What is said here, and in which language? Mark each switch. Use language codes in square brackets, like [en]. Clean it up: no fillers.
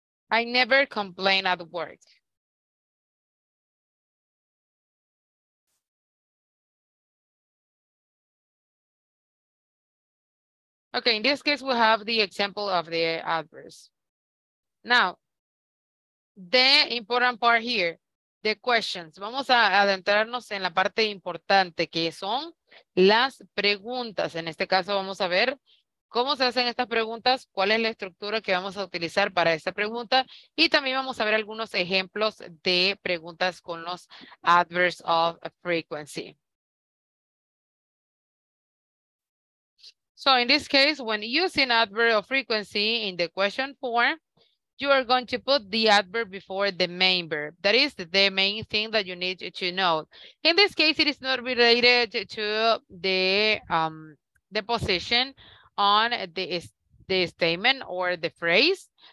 [en] I never complain at work. Okay, in this case, we have the example of the adverbs. Now, the important part here, the questions. [es] Vamos a adentrarnos en la parte importante, que son las preguntas. En este caso, vamos a ver cómo se hacen estas preguntas, cuál es la estructura que vamos a utilizar para esta pregunta, y también vamos a ver algunos ejemplos de preguntas con los [en] adverbs of frequency. So in this case, when using adverb of frequency in the question form, you are going to put the adverb before the main verb. That is the main thing that you need to know. In this case, it is not related to the position on the statement or the phrase.